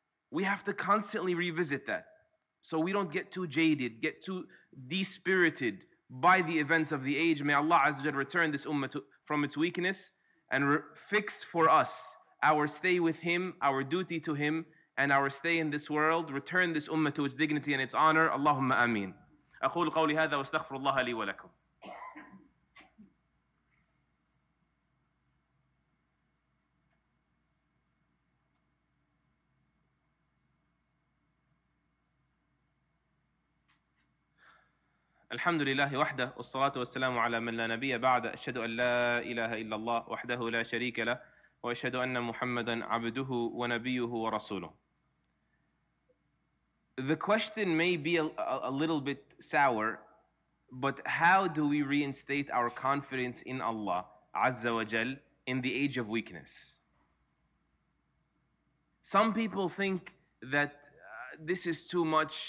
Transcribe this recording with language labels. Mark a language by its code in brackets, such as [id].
[en] We have to constantly revisit that so we don't get too jaded, get too dispirited by the events of the age. May Allah Azza wa Jalla return this ummah from its weakness and fix for us our stay with Him, our duty to Him, and our stay in this world. Return this ummah to its dignity and its honor. Allahumma ameen. [ar] أقول قولي هذا واستغفر الله لي ولكم. الحمد لله وحده والصلاة والسلام على من لا نبي بعد أشهد أن لا إله إلا الله وحده لا شريك له وأشهد أن محمدا عبده ونبيه ورسوله. [en] The question may be a little bit sour, but how do we reinstate our confidence in Allah [ar] عز وجل [en] in the age of weakness? Some people think that this is too much.